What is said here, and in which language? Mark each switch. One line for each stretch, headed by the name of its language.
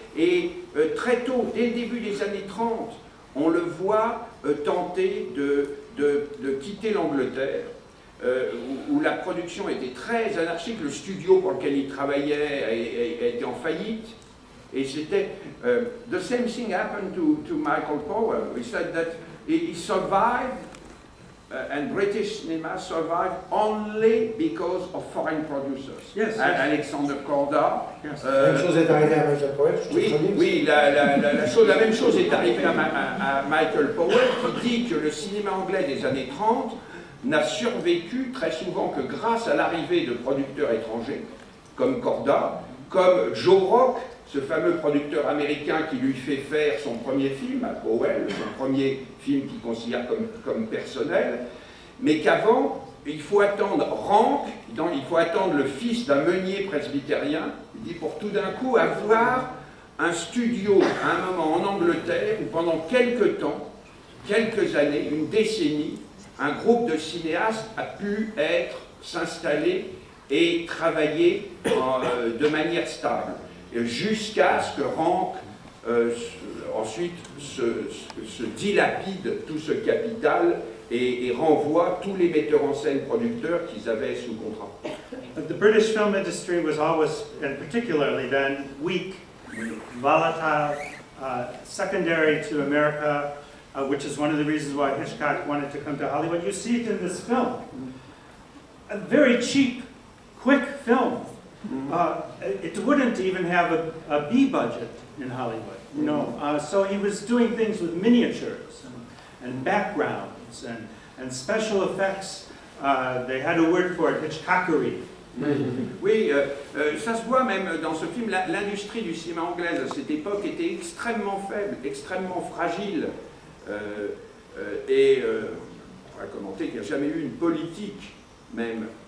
French: Et très tôt, dès le début des années 30, on le voit tenter de quitter l'Angleterre, où la production était très anarchique. Le studio pour lequel il travaillait a été en faillite. Et c'était...
English: The same thing happened to Michael Powell. He said that he survived... and British cinema survived only because of foreign producers. Yes, Alexander Korda. Yes.
French: Même chose est arrivée à Michael Powell. Oui, la même chose est arrivée à Michael Powell, qui dit que le cinéma anglais des années 30 n'a survécu très souvent que grâce à l'arrivée de producteurs étrangers, comme Korda, comme Joe Rock, ce fameux producteur américain qui lui fait faire son premier film, à Powell, son premier film qu'il considère comme personnel, mais qu'avant, il faut attendre Rank, il faut attendre le fils d'un meunier presbytérien, il dit pour tout d'un coup avoir un studio à un moment en Angleterre, où pendant quelques temps, quelques années, une décennie, un groupe de cinéastes a pu être s'installer et travailler de manière stable. Jusqu'à ce que Rank ensuite se dilapide tout ce capital et renvoie tous les metteurs en scène producteurs qu'ils avaient sous contrat.
English: The British film industry was always, and particularly then, weak, volatile, secondary to America, which is one of the reasons why Hitchcock wanted to come to Hollywood. You see it in this film. A very cheap, quick film. It wouldn't even have a B budget in Hollywood, you know. So he was doing things with miniatures and backgrounds and special effects. They had a word for it, Hitchcockery.
French: Oui, ça se voit même dans ce film. L'industrie du cinéma anglaise à cette époque était extrêmement faible, extrêmement fragile. Et on va commenter qu'il n'y a jamais eu une politique même...